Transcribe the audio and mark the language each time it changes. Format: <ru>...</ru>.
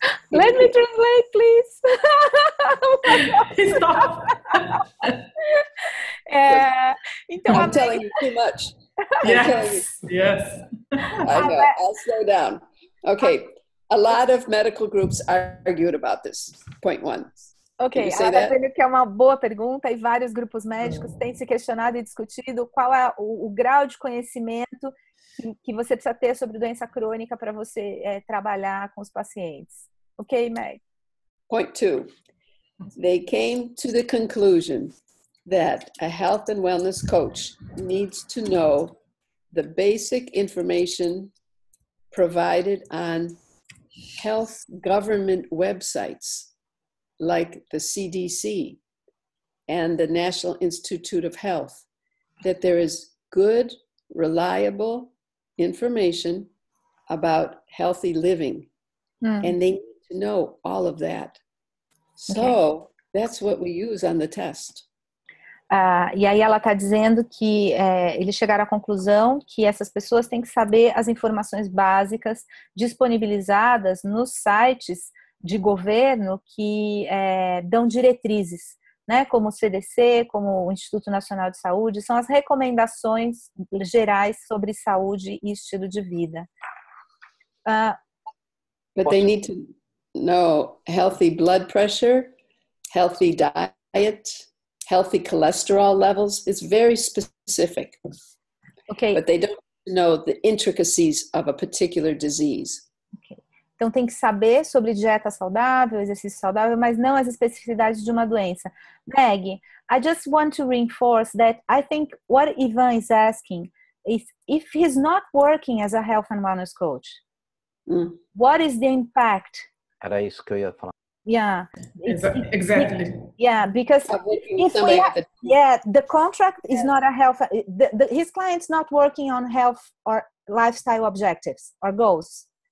<en>Let me translate, please. Stop. I'm telling you too much. Yes, yes. I know, I'll slow down. Okay, a lot of medical groups argued about this, point one.</en> <pt>Ok, ela está dizendo que é uma boa pergunta e vários grupos médicos têm se questionado e discutido qual é o grau de conhecimento que você precisa ter sobre doença crônica para você trabalhar com os pacientes.</pt> <en>Ok, Meg? Point two. They came to the conclusion that a health and wellness coach needs to know the basic information provided on health government websites, like the CDC and the National Institute of Health, that there is good, reliable information about healthy living. Mm. And they need to know all of that. So okay. That's what we use on the test.</en> <pt>E aí ela está dizendo que eles chegaram à conclusão que essas pessoas têm que saber as informações básicas disponibilizadas nos sites de governo que dão diretrizes, né? Como o CDC, como o Instituto Nacional de Saúde, são as recomendações gerais sobre saúde e estilo de vida.</pt> <en>But they need to know healthy blood pressure, healthy diet, healthy cholesterol levels. It's very specific. Okay. But they don't know the intricacies of a particular disease.</en> <pt>Então, tem que saber sobre dieta saudável, exercício saudável, mas não as especificidades de uma doença.</pt> <en>Meg, I just want to reinforce that I think what Ivan is asking is if he's not working as a health and wellness coach, what is the impact?</en> <pt>Era isso que eu ia falar.</pt> <en>Yeah. Exactly. Yeah, because if we have, yeah, the contract is not a health, his client's not working on health or lifestyle objectives or goals.</en>